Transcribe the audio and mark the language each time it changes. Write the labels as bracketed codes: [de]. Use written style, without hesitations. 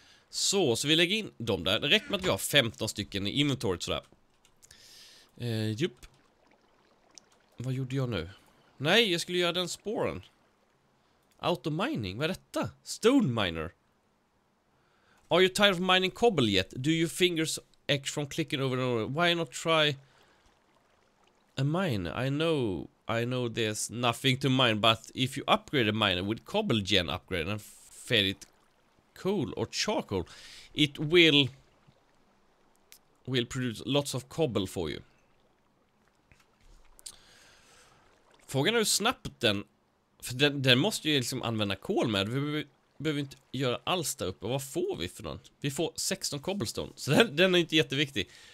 [sv] Så vi lägger in dem där. Det räcker med att vi har 15 stycken i inventoriet sådär. Jupp. Vad gjorde jag nu? Nej, jag skulle göra den spåren. Auto mining, vad är detta? [en] Stone miner. Are you tired of mining cobble yet? Do your fingers ache from clicking over and over? Why not try a mine? I know there's nothing to mine, but if you upgrade a miner with cobble gen upgrade and feed it coal or charcoal, it will produce lots of cobble for you. [sv] Frågan är hur snabbt den, för den måste ju liksom använda kol med. Vi behöver inte göra alls där uppe. Vad får vi för något? Vi får 16 cobblestone. Så den är inte jätteviktig.